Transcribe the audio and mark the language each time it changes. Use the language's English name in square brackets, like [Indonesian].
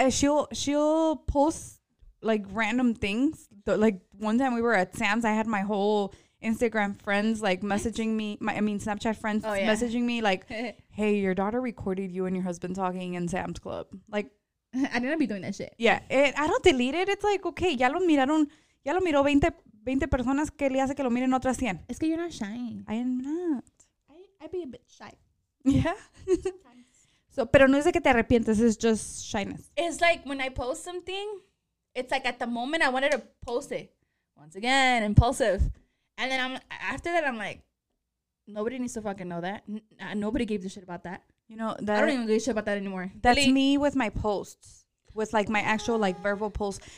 [English] She'll post, like, random things. Like, one time we were at Sam's, I had my whole Instagram friends, like, messaging me. Snapchat friends messaging me, like, hey, your daughter recorded you and your husband talking in Sam's Club. Like, I didn't be doing that shit. Yeah. I don't delete it. It's like, okay, [Spanish] ya lo miraron. Ya lo miró 20 personas que le hace que lo miren otras 100. Es que [English] you're not shy. I am not. I'd be a bit shy. Yeah. [Spanish] So, pero no es de que te arrepientes. [English] It's just shyness. It's like when I post something, it's like at the moment I wanted to post it. Once again, impulsive. And then after that, I'm like, nobody needs to fucking know that. Nobody gave a shit about that. You know, that I don't even give a shit about that anymore. That's me with my posts. with like my actual like verbal pulse.